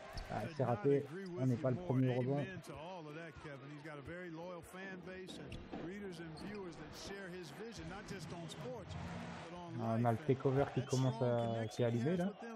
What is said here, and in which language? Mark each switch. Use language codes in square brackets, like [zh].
[fr] Ah, c'est raté, on n'est pas le premier rebond. [en] Kevin, he's got a very loyal fan base and readers and viewers that share his vision, not just on sports, but on life. [fr] On a le takeover qui commence à s'allumer là.